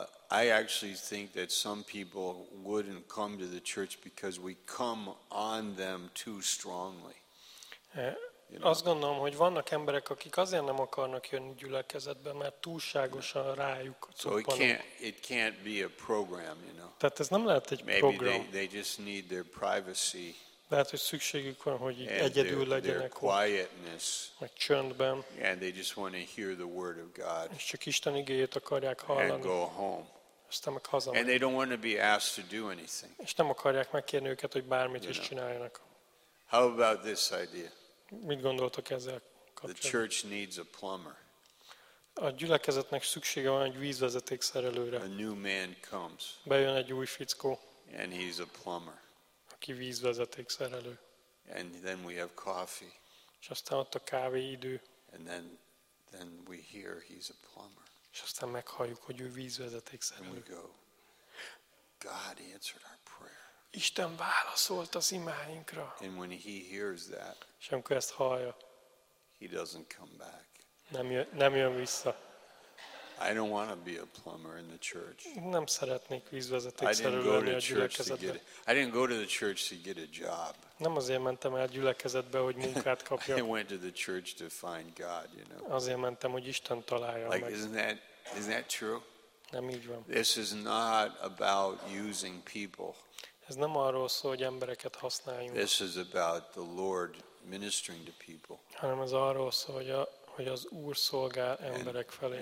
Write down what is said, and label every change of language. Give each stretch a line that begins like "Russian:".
English: I actually think that some people wouldn't come to the church because we come on them too strongly. You know?
Hungarian: Azt gondolom, hogy vannak emberek, akik azért nem akarnak jönni gyülekezetbe, mert túlságosan rájuk cuppanunk.
English: So it can't be a program, you know.
Hungarian: Tehát ez nem lehet egy
English: Maybe
Hungarian: program.
English: Maybe they just need their privacy.
Hungarian: Lehet, hogy szükségük van, hogy egyedül legyenek ott, vagy csöndben.
English: And they just want to hear the word of God.
Hungarian: És csak Isten igéjét akarják hallani.
English: And go home.
Hungarian: Aztán meg hazamegy.
English: And they don't want to be asked to do anything.
Hungarian: És nem akarják megkérni őket, hogy bármit is csináljanak.
English: How about this idea?
Hungarian: Mit gondoltok ezzel kapcsolatban?
English: The church needs a plumber.
Hungarian: A gyülekezetnek szüksége van egy vízvezetékszerelőre.
English: A new man comes.
Hungarian: Bejön egy új fickó.
English: And he's a plumber.
Hungarian: Ki vízvezeték szerelő.
English: And then we have coffee.
Hungarian: És aztán ott a kávé idő.
English: And then we hear he's a plumber.
Hungarian: És aztán meghalljuk, hogy ő vízvezeték szerelő.
English: And we go, God answered our prayer.
Hungarian: Isten válaszolt az imáinkra.
English: And when he hears that,
Hungarian: és amikor ezt hallja,
English: he doesn't come back.
Hungarian: Nem jön vissza.
English: I don't want to be a plumber in the church.
Hungarian: Nem szeretnék vízvezetékszerelő lenni a gyülekezetben.
English: I didn't go to the church to get a job.
Hungarian: Nem azért mentem el a gyülekezetbe, hogy munkát kapjak.
English: I went to the church to find God, you know.
Hungarian: Azért mentem, hogy Isten találjam
English: like,
Hungarian: meg.
English: Isn't that true?
Hungarian: Nem így van.
English: This is not about using people.
Hungarian: Ez nem arról szól, hogy embereket használjunk.
English: This is about the Lord ministering to people.
Hungarian: Hanem az arról szól, hogy az Úr szolgál emberek felé.